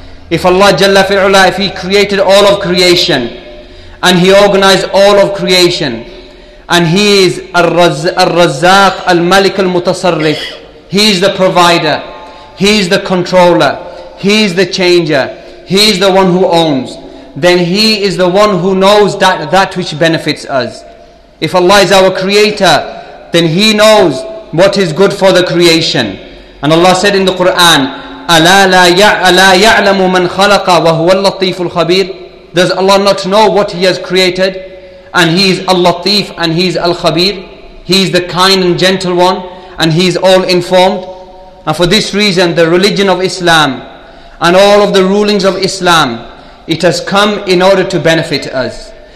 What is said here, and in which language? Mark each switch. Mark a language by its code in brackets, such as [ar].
[en] If Allah Jalla fi'ula, if He created all of creation, and He organized all of creation, and He is Al-Razzaq, Al-Malik Al-Mutasarrif, He is the provider, He is the controller, He is the changer, He is the one who owns, then He is the one who knows that which benefits us. If Allah is our creator, then He knows what is good for the creation. And Allah said in the Quran, [ar] أَلَا يَعْلَمُ مَنْ خَلَقَ وَهُوَ اللَّطِيفُ الْخَبِيرُ. [en] Does Allah not know what He has created? And He is Al-Latif and He is Al-Khabir. He is the kind and gentle one, and He is all informed. And for this reason, the religion of Islam and all of the rulings of Islam, it has come in order to benefit us.